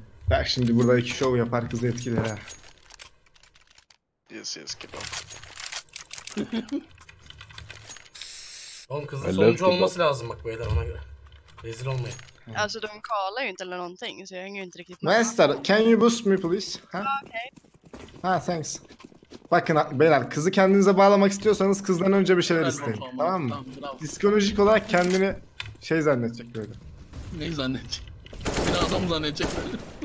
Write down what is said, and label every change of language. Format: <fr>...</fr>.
<tr>Bak şimdi burada iki show yapar kız etkiler ha.</tr> <en>Yes yes kebap.</en> <tr>Oğlum kızın sonucu olması lazım bak beyler ona göre. Rezil olmayın.</tr> <sv>Alltså de kallar ju inte eller någonting så jag hänger ju inte riktigt med.</sv> <en>Master, can you boost me please? Ha? Okay. Ha, thanks.</en> <tr>Bakın beyler, kızı kendinize bağlamak istiyorsanız kızdan önce bir şeyler isteyin. Tamam mı? Tamam, psikolojik olarak kendini şey zannedecek böyle. Ne zannedecek? Bir adam zannedecek böyle.</tr>